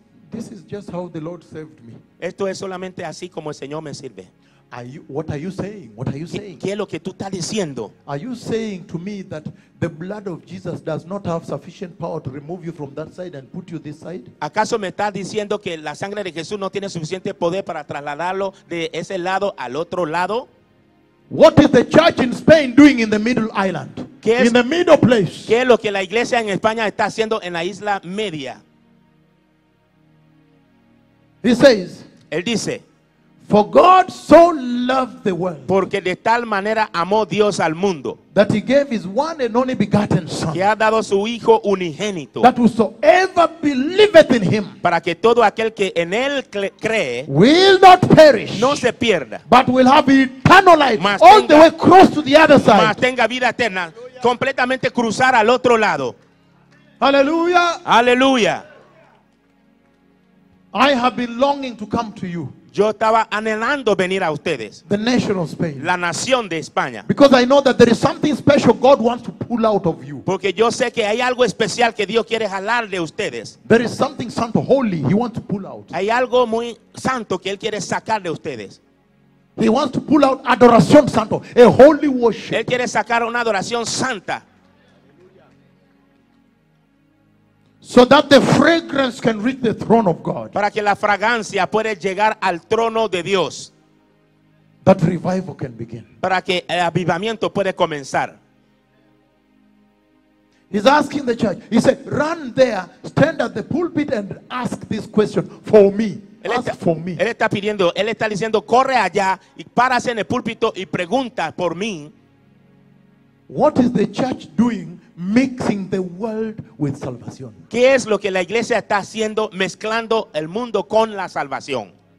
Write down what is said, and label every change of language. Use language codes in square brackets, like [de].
[en] This is just how the Lord saved me. [es] Esto es solamente así como el Señor me sirve. [en] What are you saying? [es] ¿Qué es lo que tú estás diciendo? [en] Are you saying to me that the blood of Jesus does not have sufficient power to remove you from that side and put you this side? [es] ¿Acaso me estás diciendo que la sangre de Jesús no tiene suficiente poder para trasladarlo de ese lado al otro lado? [en] What is the church in Spain doing in the middle island? In the middle place. [es] ¿Qué es lo que la iglesia en España está haciendo en la isla media? [en] He says. [es] Él dice. [en] For God so loved the world, [es] porque de tal manera amó Dios al mundo, [en] that he gave his one and only begotten son, [es] que ha dado su hijo unigénito, [en] that whosoever believeth in him, [es] para que todo aquel que en él cree, [en] will not perish, [es] no se pierda, [en] but will have eternal life, [es] mas all tenga, [en] the way across to the other side, [es] mas tenga vida eterna, completamente cruzar al otro lado. Hallelujah. Hallelujah. [en] I have been longing to come to you. [es] Yo estaba anhelando venir a ustedes. [en] The nation of Spain. [es] La nación de España. [en] Because I know that there is something special God wants to pull out of you. [es] Porque yo sé que hay algo especial que Dios quiere jalar de ustedes. [en] There is something santo, holy, he wants to pull out. [es] Hay algo muy santo que él quiere sacar de ustedes. [en] He wants to pull out [es] adoración santo, [en] a holy worship. [es] Él quiere sacar una adoración santa. [en] So that the fragrance can reach the throne of God. [es] Para que la fragancia pueda llegar al trono de Dios. [en] That revival can begin. [es] Para que el avivamiento pueda comenzar. [en] He's asking the church. He said, run there, stand at the pulpit and ask this question for me. [es] Él está pidiendo, él está diciendo, corre allá y párase en el púlpito y pregunta por mí. [en] What is the church doing? Mixing the world with salvation. [es] ¿Qué es lo que la iglesia está haciendo mezclando el mundo con la salvación?